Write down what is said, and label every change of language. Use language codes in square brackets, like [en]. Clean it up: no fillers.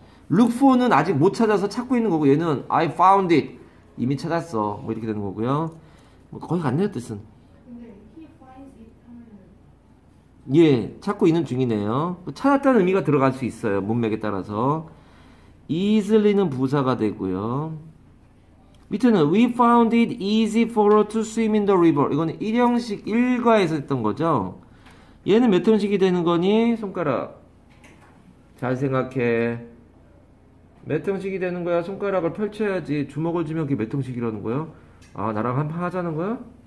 [ko] look for 는 아직 못 찾아서 찾고 있는 거고 얘는 I found it 이미 찾았어 뭐 이렇게 되는 거고요. 뭐 거의 같네요 뜻은. 예, 찾고 있는 중이네요. 찾았다는 의미가 들어갈 수 있어요. 문맥에 따라서 easily는 부사가 되고요. [en] 밑에는 we found it easy for her to swim in the river. [ko] 이건 1형식 1과에서 했던 거죠. 얘는 몇 형식이 되는 거니? 손가락 잘 생각해. 몇 형식이 되는 거야? 손가락을 펼쳐야지. 주먹을 쥐면 그게 몇 형식이라는 거야? 아 나랑 한판 하자는 거야?